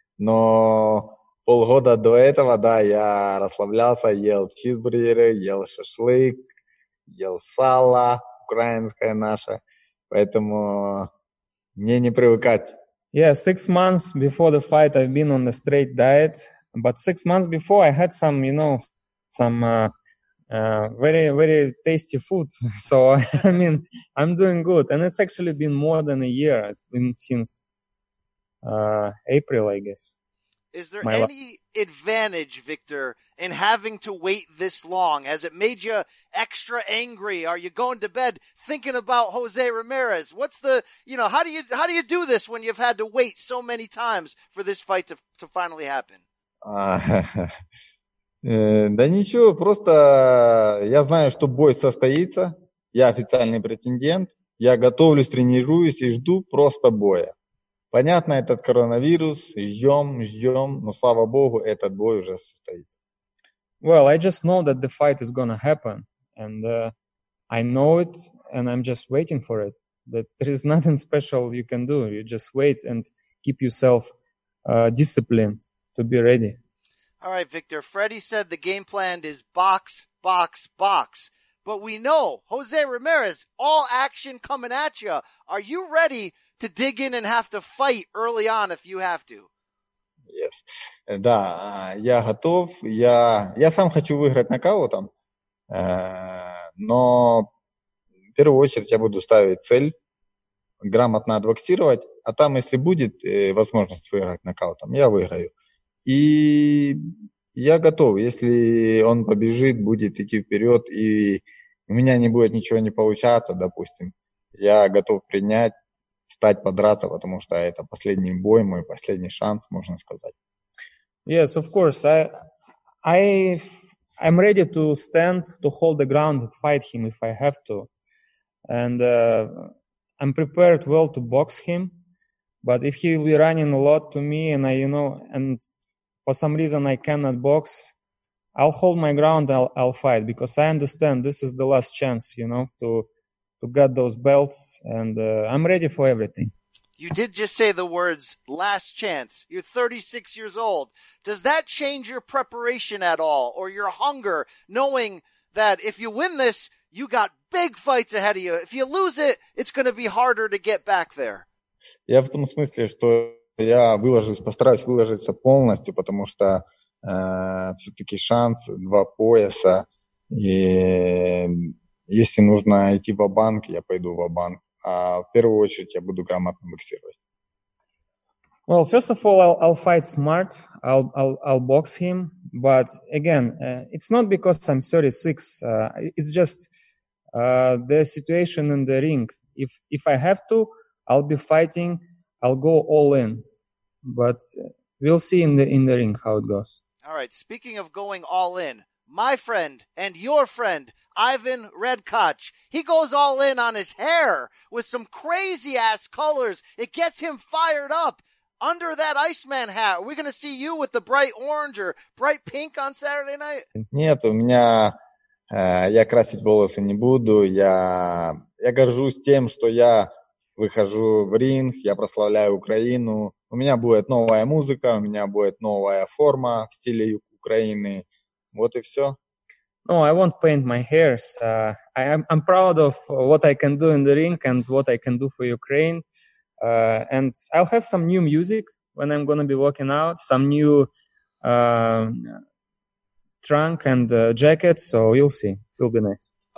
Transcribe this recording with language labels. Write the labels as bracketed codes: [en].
[ru] Но полгода до этого, да, я расслаблялся, ел чизбургеры, ел шашлык, ел сало. Украинская наша, поэтому мне не привыкать. [en] Yeah, 6 months before the fight, I've been on a straight diet. But 6 months before, I had some, you know, some very, very tasty food. So, I mean, I'm doing good. And it's actually been more than a year. It's been since April, I guess. Is there any advantage, Victor, in having to wait this long? Has it made you extra angry? Are you going to bed thinking about Jose Ramirez? What's the, you know, how do you do this when you've had to wait so many times for this fight to finally happen? [ru] Да ничего, просто я знаю, что бой состоится. Я официальный претендент. Я готовлюсь, тренируюсь и жду просто боя. Понятно, этот коронавирус, ждем, но слава богу, этот бой уже состоится. [en] Well, I just know that the fight is gonna happen, and I know it, and I'm just waiting for it. That there is nothing special you can do. You just wait and keep yourself disciplined to be ready. All right, Victor. Freddie said the game plan is box, box, box. But we know Jose Ramirez, all action coming at you. Are you ready to dig in and have to fight early on if you have to? Yes. [ru] Да, я готов. Я сам хочу выиграть нокаутом. Но в первую очередь я буду ставить цель, грамотно отбоксировать. А там, если будет возможность выиграть нокаутом, я выиграю. И я готов, если он побежит, будет идти вперед, и у меня не будет ничего не получаться, допустим, я готов принять, встать, подраться, потому что это последний бой, мой последний шанс, можно сказать. [en] Yes, of course. I'm ready to stand, to hold the ground and fight him if I have to. And I'm prepared well to box him, but if he will be running a lot to me and I, you know, and for some reason I cannot box, I'll hold my ground, I'll fight, because I understand this is the last chance, you know, to get those belts, and I'm ready for everything. You did just say the words, last chance. You're 36 years old. Does that change your preparation at all, or your hunger, knowing that if you win this, you got big fights ahead of you? If you lose it, it's going to be harder to get back there. [ru] Я в том смысле, что я выложусь, постараюсь выложиться полностью, потому что все-таки шанс, два пояса. И если нужно идти ва-банк, я пойду ва-банк. А в первую очередь я буду грамотно боксировать. [en] Well, first of all, I'll fight smart. I'll box him. But again, it's not because I'm 36. It's just the situation in the ring. If I have to, I'll be fighting. I'll go all in. But we'll see in the ring how it goes. All right, speaking of going all in, my friend and your friend, Ivan Redkach, he goes all in on his hair with some crazy-ass colors. It gets him fired up under that Iceman hat. Are we going to see you with the bright orange or bright pink on Saturday night? [ru] Нет, у меня... я красить волосы не буду. Я горжусь тем, что я выхожу в ринг, я прославляю Украину. У меня будет новая музыка, у меня будет новая форма в стиле Украины. Вот и все. [en] No, I won't paint my hairs. I'm proud of what I can do in the ring and what I can do for Ukraine. And I'll have some new music when I'm gonna be walking out, some new trunk and jacket. So you'll see. It'll be nice.